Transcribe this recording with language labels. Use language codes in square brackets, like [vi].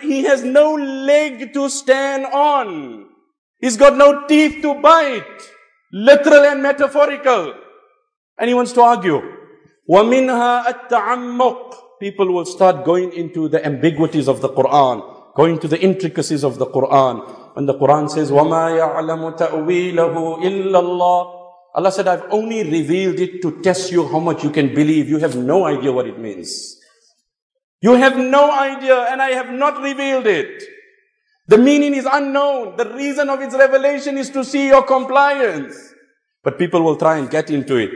[en] He has no leg to stand on. He's got no teeth to bite. Literal and metaphorical. And he wants to argue. [ar] وَمِنْهَا التَّعَمُّقُ. [en] People will start going into the ambiguities of the Quran, going to the intricacies of the Quran. When the Quran says, [ar] وَمَا يَعْلَمُ تَأْوِيلَهُ إِلَّا اللَّهِ. [en] Allah said, I've only revealed it to test you how much you can believe. You have no idea what it means. You have no idea, and I have not revealed it. The meaning is unknown. The reason of its revelation is to see your compliance. But people will try and get into it.